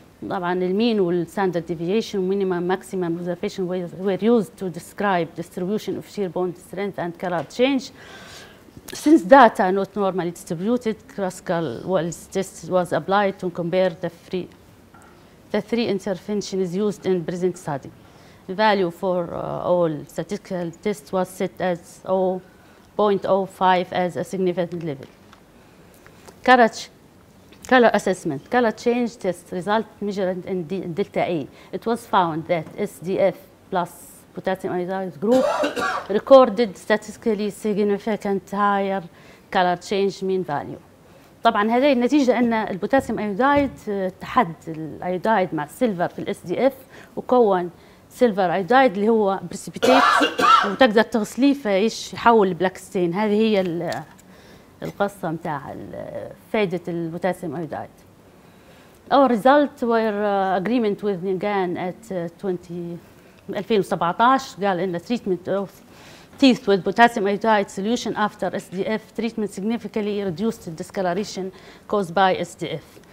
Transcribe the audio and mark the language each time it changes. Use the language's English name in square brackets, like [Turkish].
[English] طبعا المين والستاندرد deviation minimum maximum observation were used to describe distribution of shear bond strength and colour change since data not normally distributed classical Welch's test was applied to compare the three the three intervention is used in present study. The value for all statistical tests was set as 0.05 as a significant level. Color assessment. Color change test result measured in delta A. It was found that SDF plus potassium iodide group recorded statistically significant higher color change mean value. [Arabic] طبعا هذه النتيجة أن البوتاسيوم أيودايد تحد الأيودايد مع السيلفر في الإس دي إف وكون سيلفر أيودايد اللي هو بريسيبيتيت وتقدر تغسليه فايش يحول بلاك ستين. هذه هي القصة متاع فائدة البوتاسيوم أيودايد. [English] Our result were agreement with Ngan at 2017 [Arabic] قال إن [English] treatment of teeth with potassium iodide solution after SDF treatment significantly reduced the discoloration caused by SDF.